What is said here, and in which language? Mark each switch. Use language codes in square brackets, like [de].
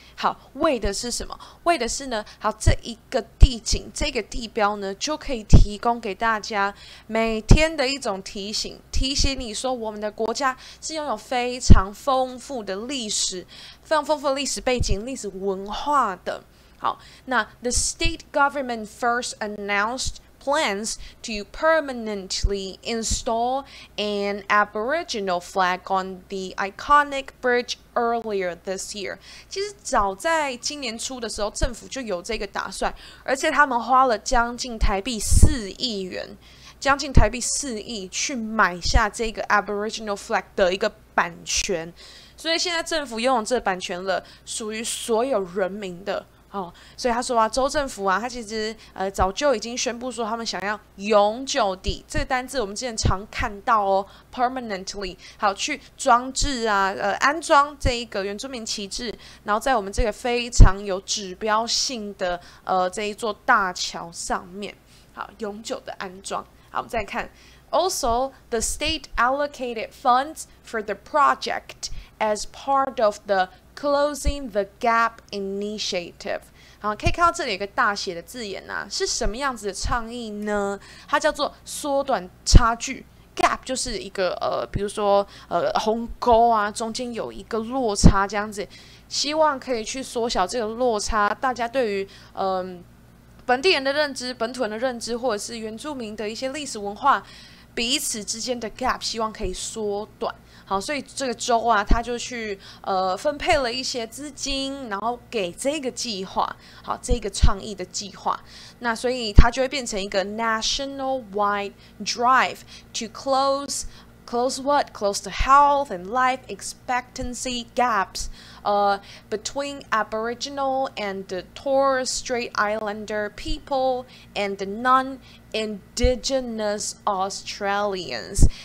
[zh] 好，为的是什么？为的是呢？好，这一个地景，这个地标呢，就可以提供给大家每天的一种提醒，提醒你说我们的国家是拥有非常丰富的历史，非常丰富的历史背景、历史文化的。 [en] 好，那 the state government first announced plans to permanently install an Aboriginal flag on the iconic bridge earlier this year. [zh] 其实早在今年初的时候，政府就有这个打算，而且他们花了将近台币四亿元，将近台币四亿去买下这个 Aboriginal flag 的一个版权，所以现在政府拥有这个版权了，属于所有人民的。哦，所以他说啊，州政府啊，他其实早就已经宣布说，他们想要永久地，这个单字我们之前常看到哦 ，permanently， 好，去装置啊，安装这一个原住民旗帜，然后在我们这个非常有指标性的这一座大桥上面，好，永久的安装。好，我们再看 [en] ，also the state allocated funds for the project as part of the。 [zh] Closing the Gap Initiative， 好，可以看到这里有一个大写的字眼啊，是什么样子的倡议呢？它叫做缩短差距 ，Gap 就是一个比如说鸿沟啊，中间有一个落差这样子，希望可以去缩小这个落差，大家对于本地人的认知、本土人的认知，或者是原住民的一些历史文化。彼此之间的 gap 希望可以缩短。好，所以这个州啊，他就去分配了一些资金，然后给这个计划，好，这个倡议的计划。那所以它就会变成一个 [en] national wide drive to close the health and life expectancy gaps between Aboriginal and the Torres Strait Islander people and the non-indigenous Australians.